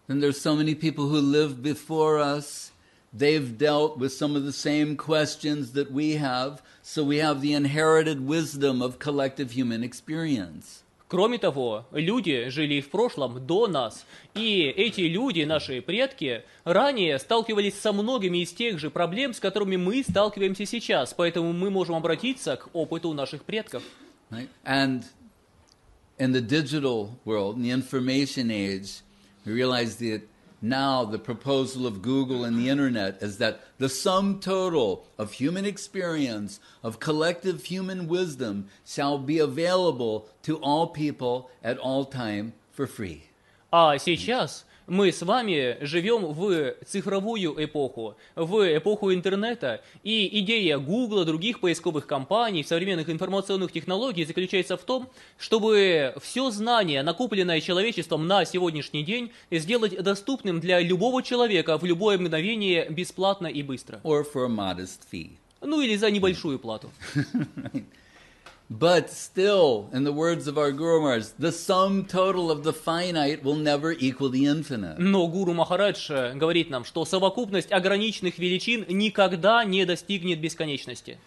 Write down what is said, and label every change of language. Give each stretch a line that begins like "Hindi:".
English: And there's so many people who live before us. They've dealt with some of the same questions that we have, so we have the inherited wisdom of collective human experience.
Russian: Кроме того, люди жили в прошлом до нас, и эти люди, наши предки, ранее сталкивались со многими из тех же проблем, с которыми мы сталкиваемся сейчас, поэтому мы можем обратиться к опыту наших предков.
English: And in the digital world, in the information age, we realize that now the proposal of Google and the internet is that the sum total of human experience, of collective human wisdom, shall be available to all people at all time for free.
Russian: А сейчас мы с вами живем в цифровую эпоху, в эпоху интернета, и идея Google, других поисковых компаний, современных информационных технологий заключается в том, чтобы все знание, накопленное человечеством на сегодняшний день, сделать доступным для любого человека в любое мгновение бесплатно и быстро.
English: Or for a modest fee.
Russian: Ну или за небольшую плату.
English: But still, in the words of our Guru Maharaj, the sum total of the finite will never equal the infinite.
Russian: Но Гуру Махарадж говорит нам, что совокупность ограниченных величин никогда не достигнет бесконечности.